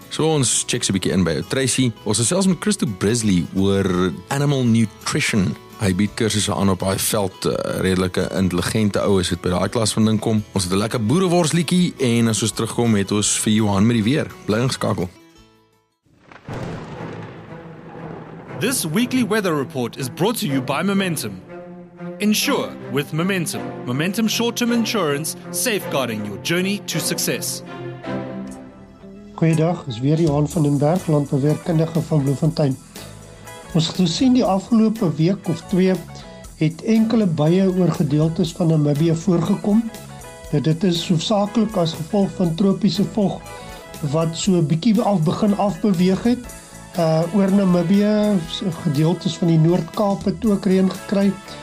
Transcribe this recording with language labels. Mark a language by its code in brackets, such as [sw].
[af] So ons check so 'n bietjie in by Tracy. Ons is selfs met Christo Brisley oor [en] animal nutrition. [af] Hy bied kursusse aan op daai veld, redelike intelligente oues het by daai klas van ding kom. Ons het 'n lekker boereworsliedjie en as ons terugkom het ons vir Johan met die weer. Bly ingeskakel. [en] This weekly weather report is brought to you by Momentum. Insure with Momentum. Momentum short-term insurance, safeguarding your journey to success. [af] Goeiedag, is weer Johan van den Berg, landbouweerkundige van Bloemfontein. Ons gesien die afgelope week of twee het enkele baie oor gedeeltes van Namibia voorgekom. Dit is hoofsaaklik as gevolg van tropiese vog wat so 'n bietjie af begin afbeweeg het. Oor Namibia, gedeeltes van die Noord-Kaap het ook reën gekry.